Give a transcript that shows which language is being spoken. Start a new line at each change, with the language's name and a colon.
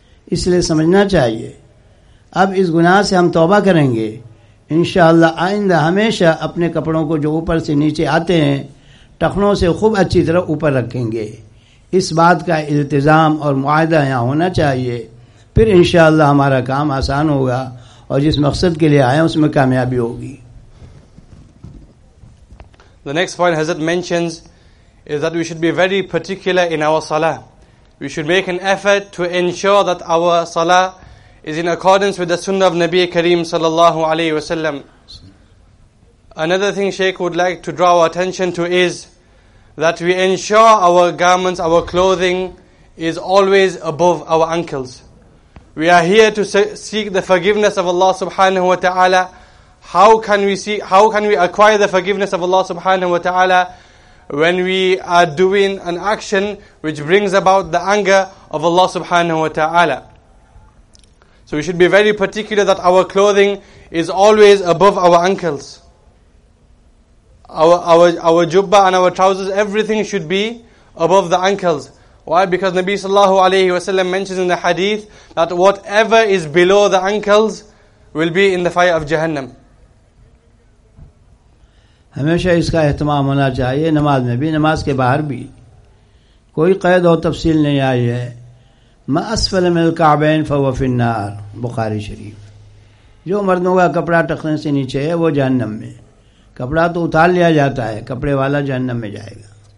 Urdu: اس لیے سمجھنا چاہیے. اب اس گناہ سے ہم توبہ کریں گے انشاءاللہ آئندہ ہمیشہ اپنے کپڑوں کو جو اوپر سے نیچے آتے ہیں ٹخنوں سے خوب اچھی طرح اوپر رکھیں گے. اس بات کا التزام اور معاہدہ یہاں ہونا چاہیے, پھر انشاءاللہ ہمارا کام آسان ہوگا اور جس مقصد کے لیے آئے اس میں کامیابی ہوگی.
English: The next point Hazrat mentions is that we should be very particular in our salah. We should make an effort to ensure that our salah is in accordance with the sunnah of Nabi Kareem sallallahu alayhi wasallam. Another thing Shaykh would like to draw our attention to is that we ensure our garments, our clothing is always above our ankles. We are here to seek the forgiveness of Allah subhanahu wa ta'ala. How can we acquire the forgiveness of Allah subhanahu wa ta'ala when we are doing an action which brings about the anger of Allah subhanahu wa ta'ala? So we should be very particular that our clothing is always above our ankles. Our jubba and our trousers, everything should be above the ankles. Why? Because Nabi sallallahu alayhi wa sallam mentions in the hadith that whatever is below the ankles will be in the fire of Jahannam.
Urdu: ہمیشہ اس کا اہتمام ہونا چاہیے, نماز میں بھی, نماز کے باہر بھی. کوئی قید اور تفصیل نہیں آئی ہے.
Arabic: ما اسفل من الکعبین فهو فی النار,
Urdu: بخاری شریف. جو مردوں کا کپڑا ٹخنے سے نیچے ہے وہ جہنم میں. کپڑا تو اتار لیا جاتا ہے, کپڑے والا جہنم میں جائے گا.